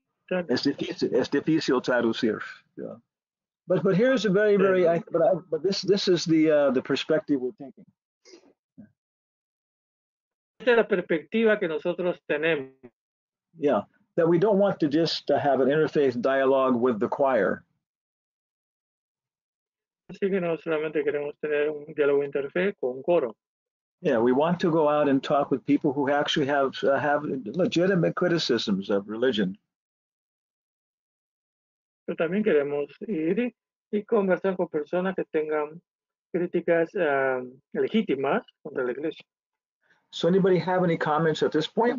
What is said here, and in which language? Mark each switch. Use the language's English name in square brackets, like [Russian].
[Spanish] Es difícil traducir, [English] but here's a very very this is the perspective we're taking. [Spanish] Esta es la perspectiva que nosotros tenemos. [English] Yeah, that we don't want to just to have an interfaith dialogue with the choir. [Spanish] Así que no solamente queremos tener un diálogo interfaith con un coro. [English] Yeah, we want to go out and talk with people who actually have legitimate criticisms of religion. [Spanish] Pero también queremos ir y conversar con personas que tengan críticas legítimas contra la iglesia. [English] So anybody have any comments at this point?